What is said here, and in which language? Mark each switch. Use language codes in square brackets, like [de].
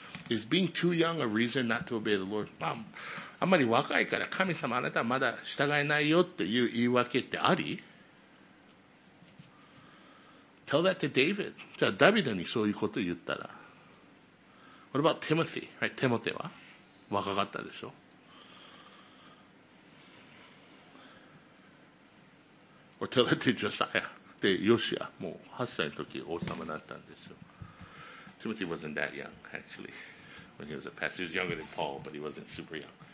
[en] Is being too young a reason not to obey the Lord? [ja] あんまり若いから神様あなたはまだ従えないよっていう言い訳ってあり? [en] Tell that to David. [ja] じゃあダビデにそういうこと言ったら? [en] What about Timothy? Right, Timothy와? [ja] 若かったでしょ? [en] Or tell that to Josiah. [ja] で、ヨシア、もう8歳の時王様になったんですよ。 [en] Timothy wasn't that young, actually, when he was a pastor. He was younger than Paul, but he wasn't super young.